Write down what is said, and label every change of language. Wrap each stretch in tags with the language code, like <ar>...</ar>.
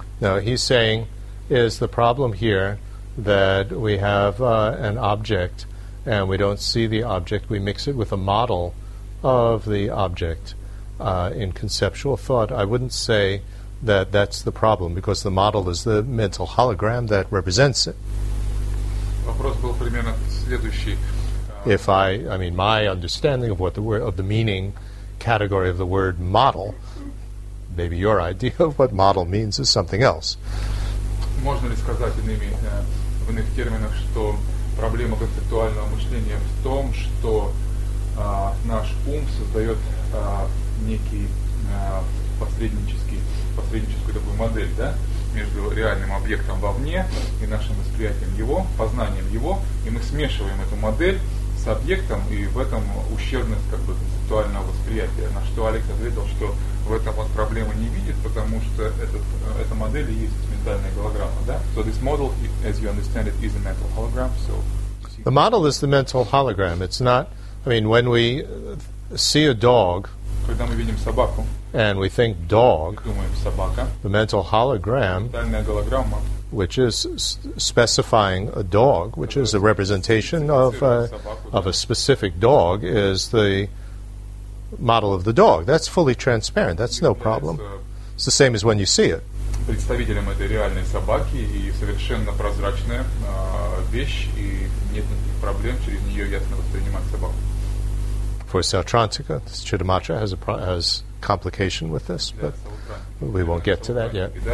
<en>No, he's saying, is the problem here that we have an object, and we don't see the object; we mix it with a model of the object in conceptual thought. I wouldn't say that's the problem, because the model is the mental hologram that represents it.</en> <ru>Вопрос был примерно следующий.</ru> <en>If I mean, my understanding of what the word, of the meaning category of the word model, maybe your idea of what model means is something else.</en> <ru>Можно ли сказать иными, в иных терминах, что проблема концептуального мышления в том, что наш ум создает некий посредническую такую модель, да, между реальным объектом вовне и нашим восприятием его, познанием его, и мы смешиваем эту модель с объектом, и в этом ущербность как бы концептуального восприятия. На что Алекс ответил, что в этом он проблемы не видит, потому что эта модель и есть ментальная голограмма, да?</ru> <en>So this model, as you understand it, is a mental hologram. So the model is the mental hologram. It's not. I mean, when we see a dog.</en> <ru>Когда мы видим собаку.</ru> <en>And we think dog,</en> <ru>думаем, собака,</ru> <en>the mental hologram,</en> <ru>голограмма,</ru> <en>which is specifying a dog, which is a representation of a specific dog, is the model of the dog. That's fully transparent. That's no problem. It's the same as when you see it.</en> <ru>Представителем этой реальной собаки и совершенно прозрачная вещь, и нет никаких проблем через нее ясно воспринимать собаку.</ru> <en>For Sautrantika, Chittamatra has a has complication with this, but we won't get to that yet.</en>